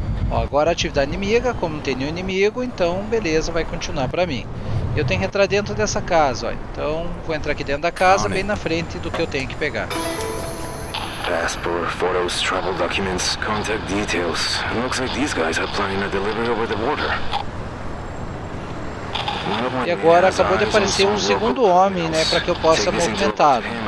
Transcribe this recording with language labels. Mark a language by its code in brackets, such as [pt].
[pt] Ó, agora atividade inimiga, como não tem nenhum inimigo, então beleza, vai continuar pra mim. Eu tenho que entrar dentro dessa casa, ó. Então vou entrar aqui dentro da casa, bem na frente do que eu tenho que pegar. [en] Passport, photos, travel documents, contact details. Looks like these guys are planning a delivery over the border. [pt] E agora acabou de aparecer um segundo homem, né, para que eu possa movimentá-lo.